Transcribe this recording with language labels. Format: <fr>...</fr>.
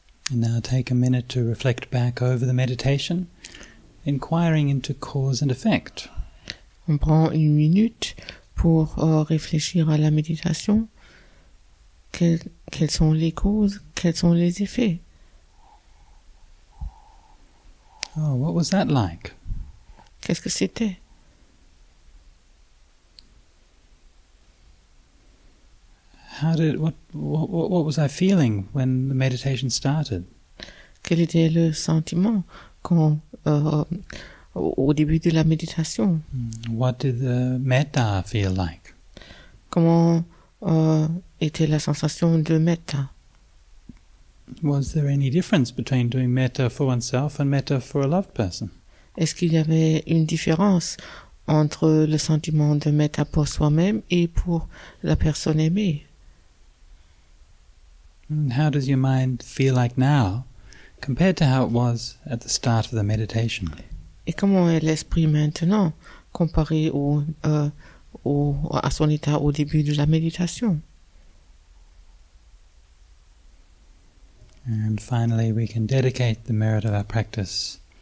<en>And now take a minute to reflect back over the meditation, inquiring into cause and effect.</en> <fr>On prend une minute pour réfléchir à la méditation. Quelles sont les causes? Quels sont les effets?</fr> <en>Oh, what was that like?</en> <fr>Qu'est-ce que c'était?</fr> <en>How did what was I feeling when the meditation started?</en> <fr>Quel était le sentiment quand au début de la méditation?</fr> <en>What did the metta feel like?</en> <fr>Comment était la sensation de metta?</fr> <en>Was there any difference between doing metta for oneself and metta for a loved person?</en> <fr>Est-ce qu'il y avait une différence entre le sentiment de metta pour soi-même et pour la personne aimée?</fr> <en>How does your mind feel like now compared to how it was at the start of the meditation?</en> <fr>Et comment est l'esprit maintenant comparé à son état au début de la méditation?</fr> <en>And finally, we can dedicate the merit of our practice.</en>